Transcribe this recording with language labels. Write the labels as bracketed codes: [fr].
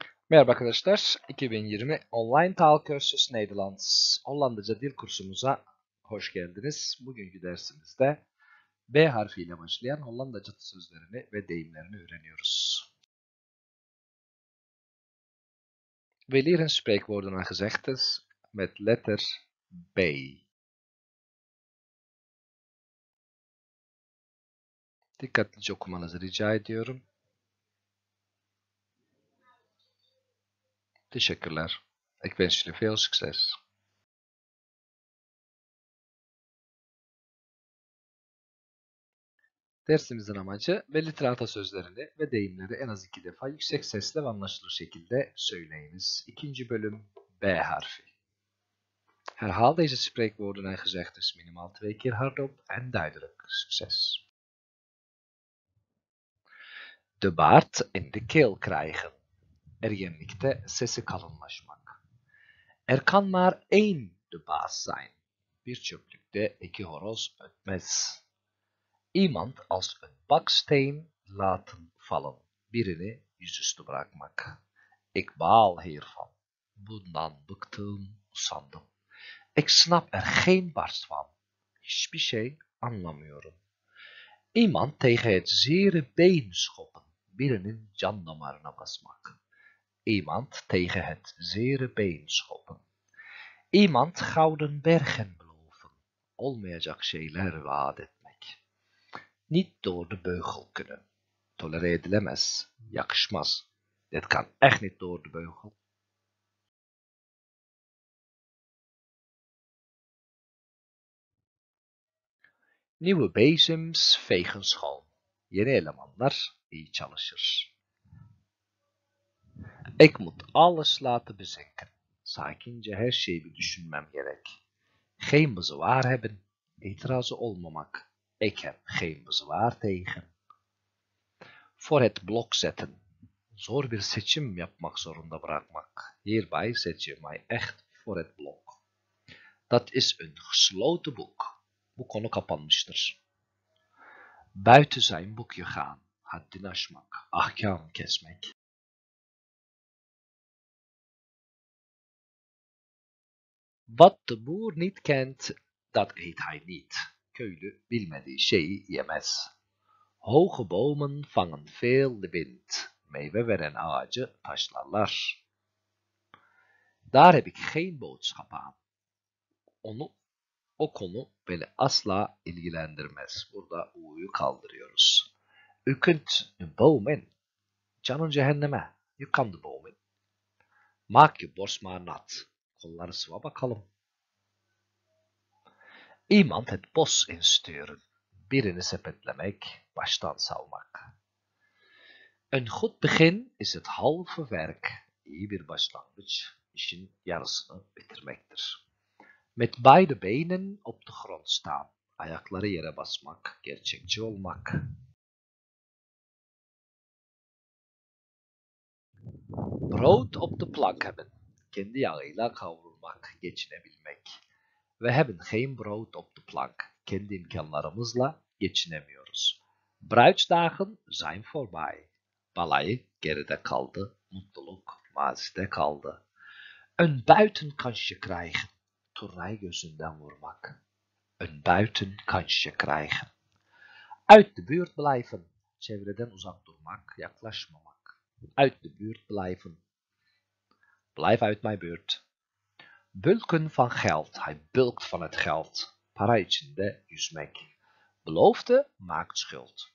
[tr] Merhaba arkadaşlar, 2020 Online TOEFL Kursus Nederlands, Hollandaca dil kursumuza hoş geldiniz. Bugünkü dersimizde B harfiyle başlayan Hollandaca sözlerini ve deyimlerini öğreniyoruz. [nl] We leren spreekwoorden en gezegdes met letter B. [tr] Dikkatlice okumanızı rica ediyorum. Teşekkürler. [nl] Ik wens jullie veel succes. [tr] Dersimizin amacı belli tırata sözlerini ve deyimleri en az iki defa yüksek sesle ve anlaşılır şekilde söyleyiniz. İkinci bölüm B harfi. [nl] Herhaal deze spreekwoorden en gezegdes minimaal twee keer hardop en duidelijk. Succes. De baard in de keel krijgen. [tr] Ergenlikte sesi kalınlaşmak. [nl] Er kan maar één de baas zijn. [tr] Bir çöplükte iki horoz ötmez. [nl] Iemand als een baksteen laten vallen. [tr] Birini yüzüstü bırakmak. [nl] Ik baal hiervan. [tr] Bundan bıktım, usandım. [nl] Ik snap er geen bars van. [tr] Hiçbir şey anlamıyorum. [nl] Iemand tegen het zere been schoppen. [tr] Birinin can damarına basmak. [nl] Iemand tegen het zere been schoppen. Iemand gouden bergen beloven. [tr] Olmayacak şeyler vaat etmek. [nl] Niet door de beugel kunnen. [tr] Tolere edilemez. Yakışmaz. [nl] Dit kan echt niet door de beugel. Nieuwe bezems vegen schoon. [tr] Yeni elemanlar iyi çalışır. [nl] Ik moet alles laten bezinken. [tr] Sakince her şeyi bir düşünmem gerek. [nl] Geen bezwaar hebben. [tr] İtirazı olmamak. [nl] Ik heb geen bezwaar tegen. Voor het blok zetten. [tr] Zor bir seçim yapmak zorunda bırakmak. [nl] Hierbij zet je mij echt voor het blok. Dat is een gesloten boek. [tr] Bu konu kapanmıştır. [nl] Buiten zijn boekje gaan. [tr] Haddini aşmak. Ahkam kesmek. [nl] Wat de boer niet kent, dat eet hij niet. [tr] Köylü bilmediği şeyi yemez. [nl] Hoge bomen vangen veel de wind. [tr] Meyve veren ağacı taşlarlar. [nl] Daar heb ik geen boodschap aan. [tr] Onu, o konu beni asla ilgilendirmez. Burada u'yu kaldırıyoruz. [nl] U kunt de bomen. [tr] Canın cehenneme. [nl] U kan de bomen. Maak je borst maar nat. [tr] Kolları sıva bakalım. [nl] Iemand het bos insturen. [tr] Birini sepetlemek, baştan salmak. [nl] Een goed begin is het halve werk. [tr] İyi bir başlangıç, işin yarısını bitirmektir. [nl] Met beide benen op de grond staan. [tr] Ayakları yere basmak, gerçekçi olmak. [nl] Brood op de plank hebben. [tr] Kendi yağıyla kavrulmak, geçinebilmek. [nl] We hebben geen brood op de plank. [tr] Kendi imkanlarımızla geçinemiyoruz. [nl] Bruidsdagen zijn voorbij. [tr] Balay geride kaldı. Mutluluk mazide kaldı. [nl] Een buitenkansje krijgen. [tr] Turnay gözünden vurmak. [nl] Een buitenkansje krijgen. Uit de buurt blijven. [tr] Çevreden uzak durmak, yaklaşmamak. [nl] Uit de buurt blijven. Blijf uit mijn buurt. Bulken van geld. Hij bulkt van het geld. [tr] Para içinde yüzmek. [nl] Beloofde maakt schuld.